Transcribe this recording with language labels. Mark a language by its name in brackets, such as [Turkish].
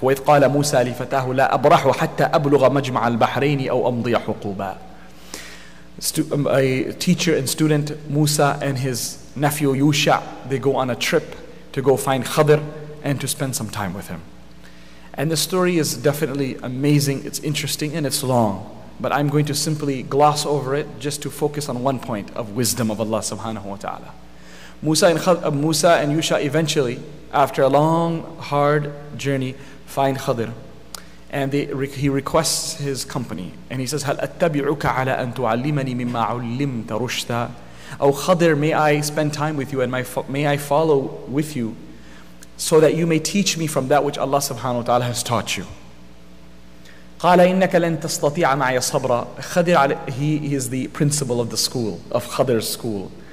[Arabic] وَإِذْ قَالَ مُوسَى لِفَتَاهُ لَا أَبْرَحُ حَتَّى أَبْلُغَ مَجْمَعَ الْبَحْرَيْنِ أَوْ أَمْضِيَ حُقُوبًا. [English] A teacher and student, Musa and his nephew Yusha, they go on a trip to go find Khadr and to spend some time with him. And the story is definitely amazing, it's interesting, and it's long. But I'm going to simply gloss over it just to focus on one point of wisdom of Allah subhanahu wa ta'ala. Musa and Yusha eventually, after a long, hard journey, find Khadr. And he requests his company. And he says, [Arabic] هَلْ أَتَّبِعُكَ عَلَىٰ أَن تُعَلِّمَنِي مِمَّا عُلِّمْتَ رُشْدًا. [English] Oh Khadr, may I spend time with you and may I follow with you so that you may teach me from that which Allah subhanahu wa ta'ala has taught you. [Arabic] قَالَ إِنَّكَ لَن تَسْتَطِيعَ مَعَيَ صَبْرًا. [English] Khadr, he is the principal of the school, of Khadr's school.